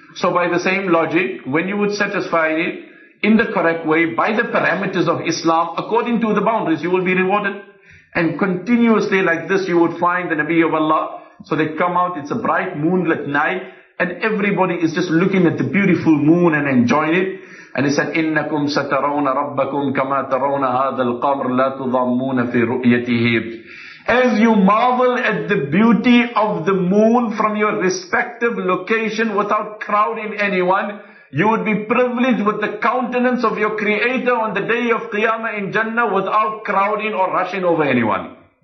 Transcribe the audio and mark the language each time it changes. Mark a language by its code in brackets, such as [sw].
[en] So by the same logic, when you would satisfy it in the correct way, by the parameters of Islam, according to the boundaries, you will be rewarded. And continuously like this, you would find the Nabi of Allah. So they come out, it's a bright moonlit night, and everybody is just looking at the beautiful moon and enjoying it. [ar] And he said, إِنَّكُمْ سَتَرَوْنَ رَبَّكُمْ كَمَا تَرَوْنَ هَذَا الْقَمْرِ لَا تُضَمُّونَ فِي رُؤْيَتِهِ. [en] As you marvel at the beauty of the moon from your respective location without crowding anyone, you would be privileged with the countenance of your Creator on the day of Qiyamah in Jannah without crowding or rushing over anyone.